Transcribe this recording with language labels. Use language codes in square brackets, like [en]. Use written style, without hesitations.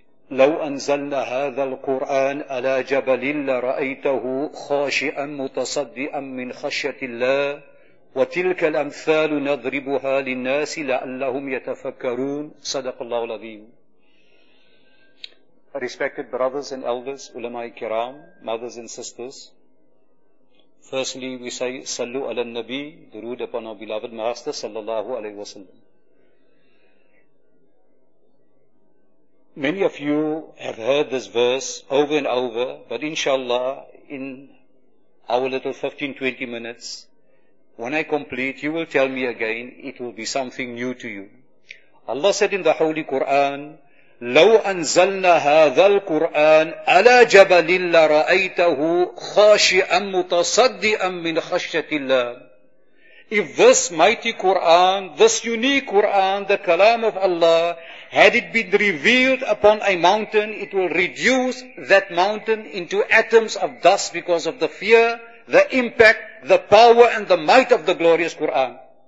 [ar] لو أنزلنا هذا القرآن على جبل لرأيته خاشعا متصدعا من خشية الله وتلك الأمثال نضربها للناس لعلهم يتفكرون صدق الله العظيم [en] Respected brothers and elders, ulama-i kiram, mothers and sisters, firstly we say, Sallu ala nabi, durood upon our beloved master, sallallahu alayhi wa sallam. Many of you have heard this verse over and over, but inshallah, in our little 15-20 minutes, when I complete, you will tell me again, it will be something new to you. Allah said in the Holy Quran, [ar] لو أنزلنا هذا القرآن على جبل لرأيته خاشعا متصدعا من خشية الله. [en] If this mighty Quran, this unique Quran, the Kalam of Allah, had it been revealed upon a mountain, it will reduce that mountain into atoms of dust because of the fear, the impact, the power and the might of the glorious Quran.